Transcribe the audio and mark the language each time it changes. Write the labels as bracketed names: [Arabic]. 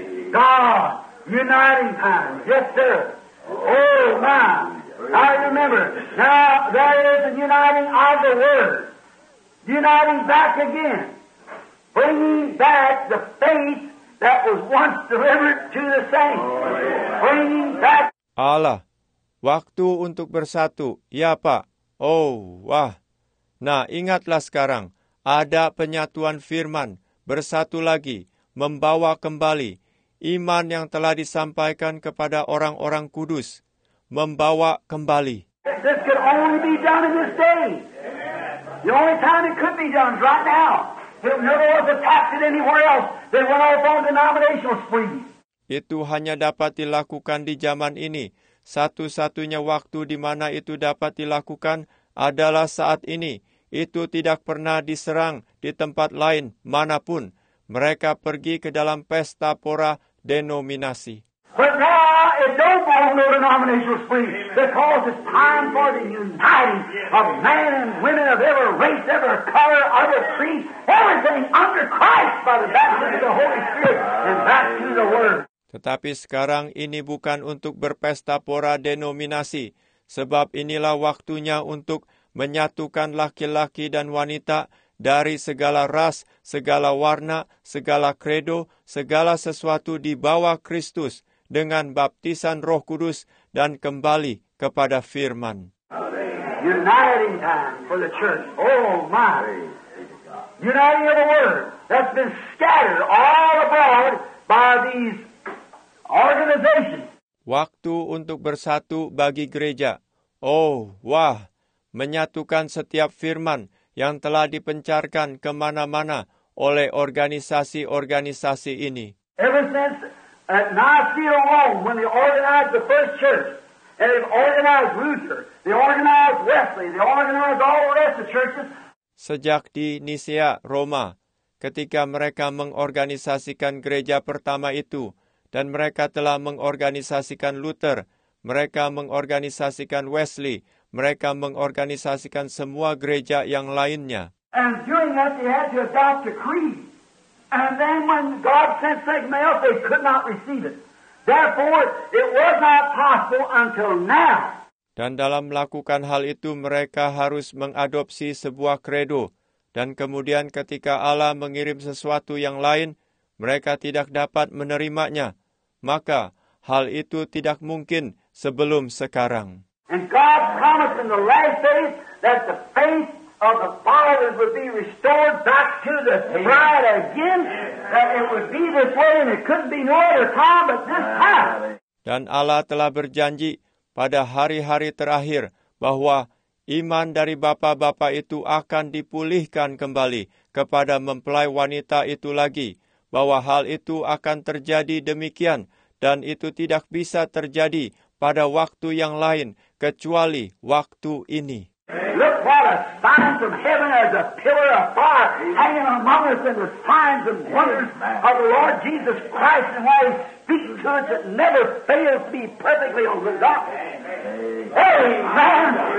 [English] God, uniting time, yes sir. Oh my, I remember. Now there is a uniting of the Word, uniting back again, bringing back the faith that was once delivered to the saints, bringing back. [Indonesian] Allah, waktu untuk bersatu, ya Pak. Oh wah. Nah ingatlah sekarang, ada penyatuan firman, bersatu lagi, membawa kembali. Iman yang telah disampaikan kepada orang-orang kudus membawa kembali. [English] This could only be done in this day. The only time it could be done is right now. If no one was attacked anywhere else, they went off on denominational spree. [Indonesian] Itu hanya dapat dilakukan di zaman ini. Satu-satunya waktu di mana itu dapat dilakukan adalah saat ini. Itu tidak pernah diserang di tempat lain manapun. Mereka pergi ke dalam pesta pora denominasi. [English] But now it don't belong to the denominational spree, because it's time for the uniting of men and women of every race, every color, every creed, everything under Christ by the baptism of the Holy Spirit and back to the Word. [Indonesian] Tetapi sekarang ini bukan untuk berpesta pora denominasi, sebab inilah waktunya untuk menyatukan laki-laki dan wanita dari segala ras, segala warna, segala kredo, segala sesuatu di bawah Kristus dengan baptisan Roh Kudus dan kembali kepada firman. [English] Uniting time for the church. Oh my. Uniting of the word that's been scattered all abroad by these organizations. [Indonesian] Waktu untuk bersatu bagi gereja. Oh wah, menyatukan setiap firman yang telah dipencarkan kemana-mana oleh organisasi-organisasi ini. [English] Ever since at Nicaea alone, when they organized the first church, and they organized Luther, they organized Wesley, they organized all the rest of churches. [Indonesian] Sejak di Nicaea, Roma, ketika mereka mengorganisasikan gereja pertama itu, dan mereka telah mengorganisasikan Luther, mereka mengorganisasikan Wesley, mereka mengorganisasikan semua gereja yang lainnya. [English] And during that they had to adopt a creed. And then when God sent Satan mail, they could not receive it. Therefore, it was not possible until now. [Indonesian] Dan dalam melakukan hal itu, mereka harus mengadopsi sebuah kredo. Dan kemudian ketika Allah mengirim sesuatu yang lain, mereka tidak dapat menerimanya. Maka, hal itu tidak mungkin sebelum sekarang. [English] And God promised in the last days that the faith of the fathers would be restored back to the bride again, that it would be this way and it couldn't be no other time but this time. [Indonesian] Dan Allah telah berjanji pada hari-hari terakhir bahwa iman dari bapa-bapa itu akan dipulihkan kembali kepada mempelai wanita itu lagi, bahwa hal itu akan terjadi demikian. Dan itu tidak bisa terjadi pada waktu yang lain kecuali waktu ini. [English] Look what a sign from heaven as a pillar of fire hanging among us in the signs and wonders of the Lord Jesus Christ and how he speaks to us that never fails to be perfectly on the dot. Amen.